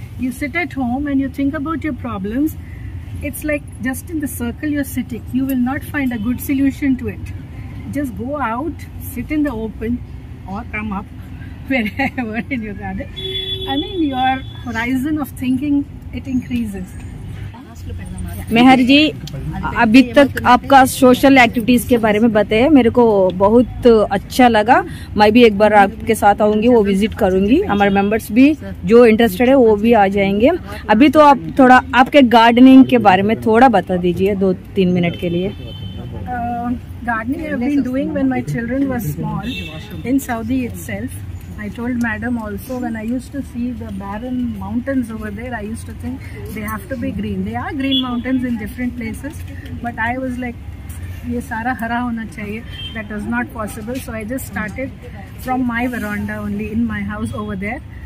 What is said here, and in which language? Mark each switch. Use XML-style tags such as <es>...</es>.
<en>You sit at home and you think about your problems. It's like just in the circle you're sitting. You will not find a good solution to it. Just go out, sit in the open, or come up wherever in your garden. I mean, your horizon of thinking, it increases.</en> <hi>मेहर जी, अभी तक आपका social activities के बारे में बताया, मेरे को बहुत अच्छा लगा. मैं भी एक बार आपके साथ आऊंगी, वो विजिट करूंगी. हमारे मेंबर्स भी जो इंटरेस्टेड है वो भी आ जाएंगे. अभी तो आप थोड़ा आपके गार्डनिंग के बारे में थोड़ा बता दीजिए, दो तीन मिनट के लिए.</hi> <en>Gardening I have been doing when my children were small in Saudi itself. I told madam also, when I used to see the barren mountains over there, I used to think they have to be green. They are green mountains in different places, but I was like,</en> <hi>ye sara hara hona chahiye.</hi> <en>That was not possible. So I just started from my veranda only in my house over there.</en>